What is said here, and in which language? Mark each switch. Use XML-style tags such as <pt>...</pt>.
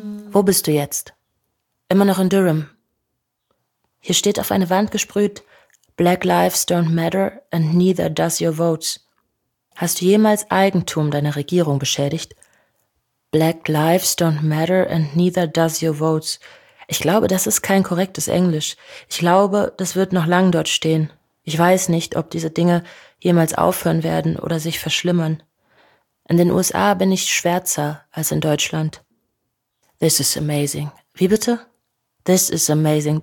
<de>Wo bist du jetzt? Immer noch in Durham. Hier steht auf eine Wand gesprüht,</de> <en>Black Lives Don't Matter and Neither Does Your Votes.</en> <de>Hast du jemals Eigentum deiner Regierung beschädigt?</de> <en>Black Lives Don't Matter and Neither Does Your Votes.</en> <de>Ich glaube, das ist kein korrektes Englisch. Ich glaube, das wird noch lang dort stehen. Ich weiß nicht, ob diese Dinge jemals aufhören werden oder sich verschlimmern. In den USA bin ich schwärzer als in Deutschland.</de> <en>This is amazing.</en> <de>Wie bitte? This is amazing.</de>